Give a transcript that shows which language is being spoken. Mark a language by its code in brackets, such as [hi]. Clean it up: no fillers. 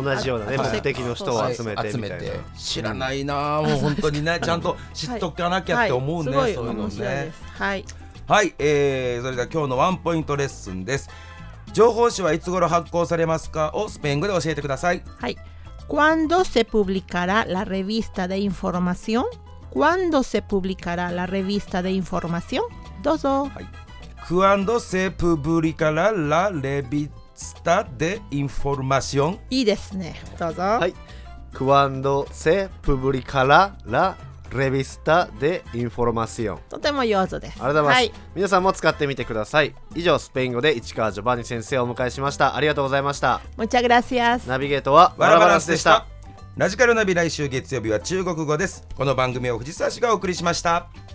[ja] 同じようなね、目的の人を集めてみたいな。集めて、知らないなぁ、もう本当にね、ちゃんと知っとかなきゃって思うね。はいはい、そういうのね。すごい面白いです。はい、はい、それでは今日のワンポイントレッスンです。情報誌はいつ頃発行されますかをスペイン語で教えてください。 [es] はい、 ¿Cuándo se publicará la revista de información? ¿Cuándo se publicará la revista de información? [ja] どうぞ。 [es] はい、Cuando se publicará la revista de información? [ja] いいですね。どうぞ。はい。 [es] Cuando se publicará la revista de información? [ja] とても上手です。ありがとうございます。はい、皆さんも使ってみてください。以上、スペイン語で市川ジョバンニ先生をお迎えしました。ありがとうございました。 [es] Muchas gracias。 [ja] ナビゲートはワラバランスでした。ラジカルナビ、来週月曜日は中国語です。この番組を藤沢氏がお送りしました。